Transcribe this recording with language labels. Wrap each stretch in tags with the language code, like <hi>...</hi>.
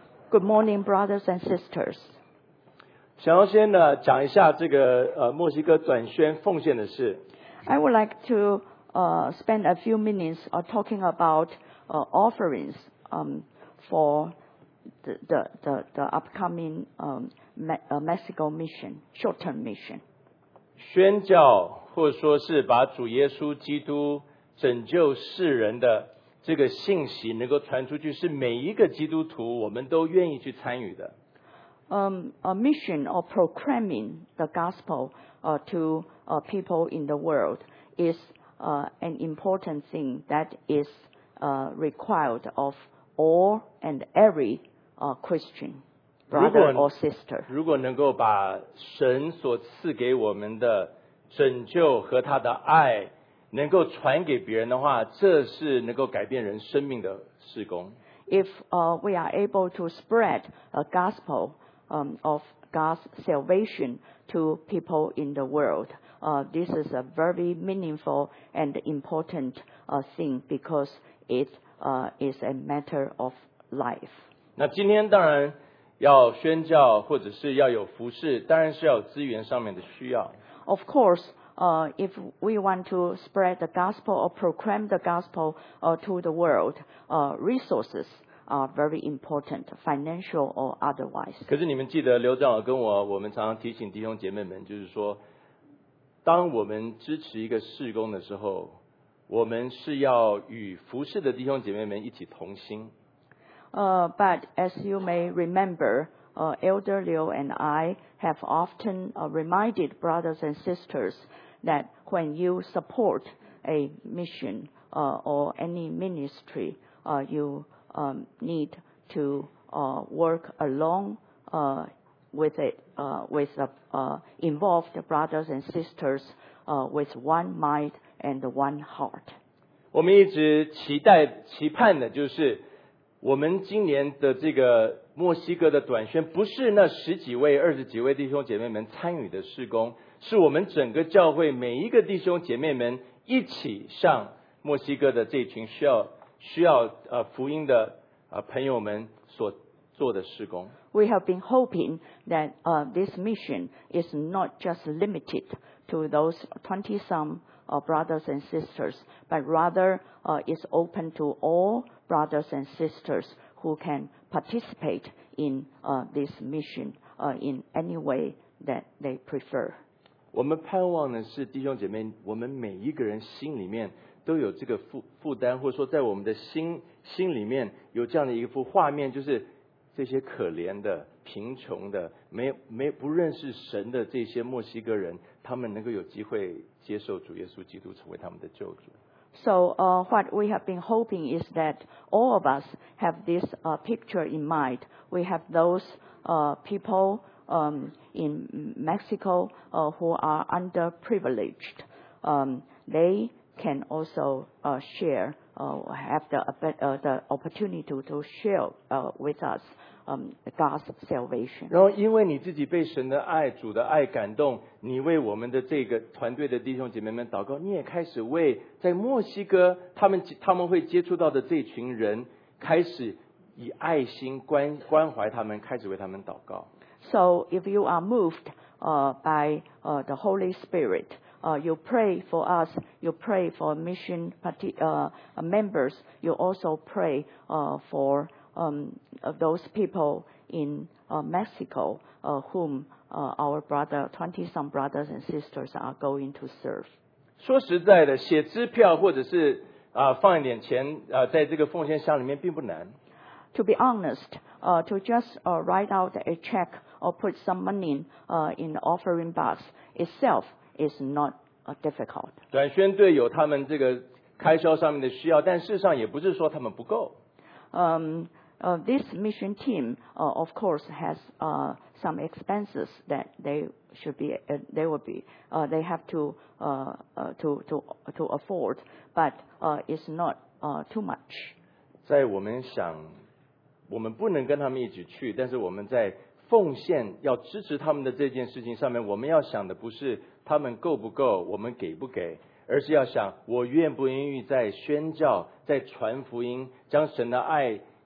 <en>Good morning, brothers and sisters.</en> <zh>想要先呢讲一下这个墨西哥短宣奉献的事。</zh> <en>I would like to spend a few minutes talking about offerings for the upcoming Mexico mission, short-term mission.</en> <zh>宣教或者说是把主耶稣基督拯救世人的这个信息能够传出去，是每一个基督徒我们都愿意去参与的。</zh> <en>A mission of proclaiming the gospel to people in the world is an important thing that is required of all and every Christian brother or sister.</en> <zh>如果能够把神所赐给我们的拯救和他的爱能够传给别人的话，这是能够改变人生命的事工。</zh> <en>If we are able to spread a gospel of God's salvation to people in the world, this is a very meaningful and important thing because it is a matter of life.</en> <zh>那今天当然要宣教或者是要有服事，当然是要有资源上面的需要。</zh> <en>Of course,if we want to spread the gospel or proclaim the gospel to the world, resources are very important, financial or otherwise.</en> <zh>可是你们记得刘长老跟我们常常提醒弟兄姐妹们，就是说，当我们支持一个事工的时候，我们是要与服事的弟兄姐妹们一起同心。</zh> <en>But as you may remember, Elder Liu and I have often reminded brothers and sisters that when you support a mission or any ministry, you need to work along with it, with involved brothers and sisters with one mind and one heart.</en> <zh>我们一直期待期盼的就是我们今年的这个墨西哥的短宣不是那十几位二十几位弟兄姐妹们参与的事工，是我们整个教会每一个弟兄姐妹们一起向墨西哥的这群需要福音的朋友们所做的事工。</zh> <en>We have been hoping that this mission is not just limited to those 20 some brothers and sisters, but rather is open to all brothers and sisters who can participate in this mission in any way that they prefer.</en> <zh>我们盼望的是弟兄姐妹，我们每一个人心里面都有这个负担，或者说在我们的心里面有这样的一幅画面，就是这些可怜的、贫穷的、不认识神的这些墨西哥人，他们能够有机会接受主耶稣基督成为他们的救主。</zh> <en>So what we have been hoping is that all of us have this picture in mind. We have those people in Mexico who are underprivileged. They can also share, have the opportunity to share with us God's salvation.</en> <zh>然后因为你自己被神的爱、主的爱感动，你为我们的这个团队的弟兄姐妹们祷告，你也开始为在墨西哥他们会接触到的这群人，开始以爱心关怀他们，开始为他们祷告。</zh> <en>So if you are moved by the Holy Spirit, you pray for us, you pray for mission members, you also pray for those people in Mexico whom our brother, 20 some brothers and sisters are going to serve.</en> <zh>说实在的，写支票或者是放一点钱在这个奉献箱里面并不难。</zh> <en>To be honest, to just write out a check or put some money in the offering box itself is not difficult.</en> <zh>短宣队有他们这个开销上面的需要，但事实上也不是说他们不够。</zh> <en>This mission team, of course, has some expenses that they have to afford, but it's not too much.</en> <zh>在我们想，我们不能跟他们一起去，但是我们在奉献要支持他们的这件事情上面，我们要想的不是他们够不够，我们给不给。而是要想我愿不愿意在宣教在传福音将神的爱</zh>